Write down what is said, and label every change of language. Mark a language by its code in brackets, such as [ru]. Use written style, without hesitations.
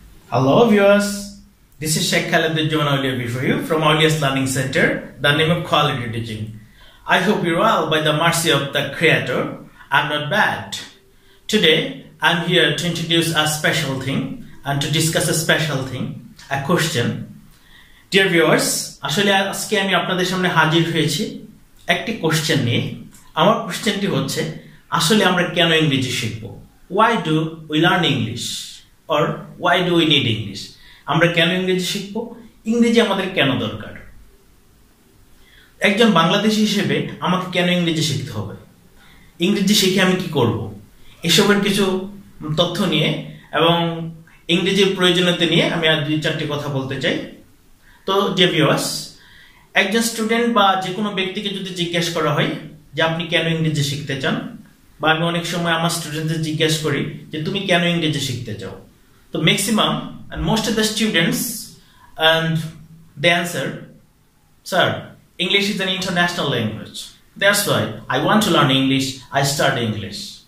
[en] Hello viewers, this is Sheikh Khaled Dajjuman Audio before you from Audio's Learning Center, the name of Quality Teaching. I hope you're well by the mercy of the Creator and not bad. Today, I'm here to introduce a special thing and to discuss a special thing, a question. Dear viewers, [bn] আসলে আজকে আমি আপনাদের সামনে হাজির হয়েছি একটি question নিয়ে। আমার কোশ্চেনটি হচ্ছে, আসলে আমরা কেন ইংরেজি শিখব? [en] Why do we learn English? Or why do we need English? [bn] আমরা কেন ইংরেজি শিখব? ইংরেজি আমাদের কেন দরকার? একজন বাংলাদেশী হিসেবে আমাকে কেন ইংরেজি শিখতে হবে? ইংরেজি শিখে আমি কি করব? এসবের কিছু তথ্য নিয়ে এবং ইংরেজির প্রয়োজনীয়তা নিয়ে আমি আর দুই চারটি কথা বলতে চাই। তো ডিয়ার ভিউয়ার্স, একজন স্টুডেন্ট বা যে কোনো ব্যক্তিকে যদি জিজ্ঞেস করা হয় যে আপনি কেন ইংরেজি শিখতে চান, বা আমি অনেক সময় আমার স্টুডেন্টদের জিজ্ঞেস করি যে তুমি কেন ইংরেজি শিখতে চাও, তো [en] Maximum and most of the students and the answer, sir English is an international language, that's why I want to learn English, I start English.